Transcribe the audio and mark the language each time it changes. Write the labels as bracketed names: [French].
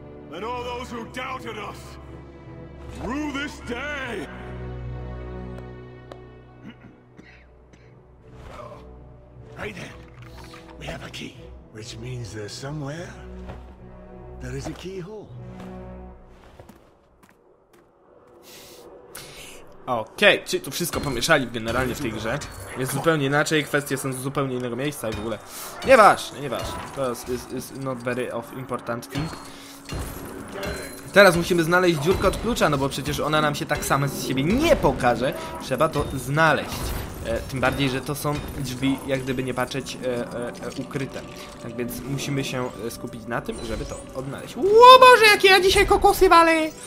[English] Let all those who doubted us through this day. Right there. We have a key. Which means there's somewhere there is a keyhole. [Polish] Okej, okay, czy tu wszystko pomieszali generalnie w tej grze? Jest zupełnie inaczej, kwestie są z zupełnie innego miejsca i w ogóle. Nieważne, nieważne. To jest [English] not very of important thing. [Polish] Teraz musimy znaleźć dziurkę od klucza, no bo przecież ona nam się tak sama z siebie nie pokaże. Trzeba to znaleźć. Tym bardziej, że to są drzwi, jak gdyby nie patrzeć, ukryte. Tak więc musimy się skupić na tym, żeby to odnaleźć. Ło Boże, jakie ja dzisiaj kokosy walę!